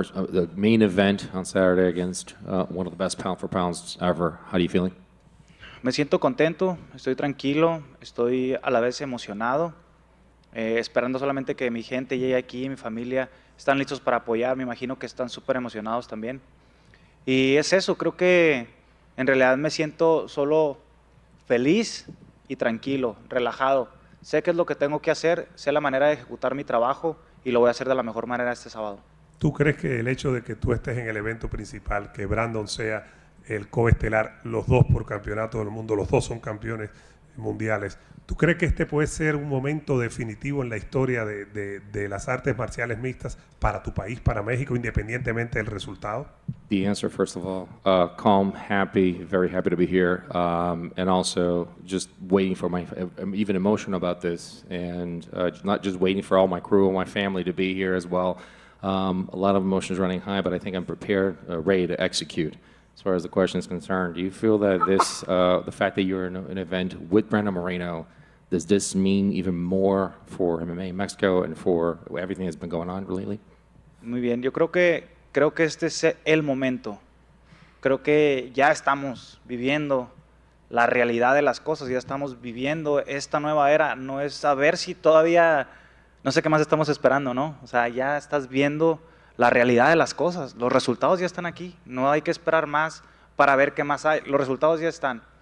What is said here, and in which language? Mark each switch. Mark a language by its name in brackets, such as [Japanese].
[English] The main event on Saturday against one of the best pound for pounds ever, how are you feeling? [Spanish] Me siento contento, estoy tranquilo, estoy a la vez emocionado, esperando solamente que mi gente llegue aquí, mi familia, están listos para apoyar, me imagino que están súper emocionados también. Y es eso, creo que en realidad me siento solo feliz y tranquilo, relajado. Sé qué es lo que tengo que hacer, sé la manera de ejecutar mi trabajo y lo voy a hacer de la mejor manera este sábado. ¿Tú crees que el hecho de que tú estés en el evento principal, que Brandon sea el coestelar, los dos por campeonato del mundo, los dos son campeones mundiales. ¿Tú crees que este puede ser un momento definitivo en la historia de las artes marciales mixtas para tu país, para México, independientemente del resultado? [English] The answer, first of all, calm, happy, very happy to be here, and also just waiting for my, I'm even emotional about this, and not just waiting for all my crew and my family to be here as well. A lot of emotions running high, but I think I'm prepared, ready to execute. As far as the question is concerned, do you feel that this, the fact that you're in an event with Brandon Moreno, does this mean even more for MMA in Mexico and for everything that's been going on lately? [Spanish] Muy bien. Yo creo que este es el momento. Creo que ya estamos viviendo la realidad de las cosas. Ya estamos viviendo esta nueva era. No es saber si todavía, no sé qué más estamos esperando, ¿no? O sea, ya estás viendo la realidad de las cosas, los resultados ya están aquí, no hay que esperar más para ver qué más hay, los resultados ya están.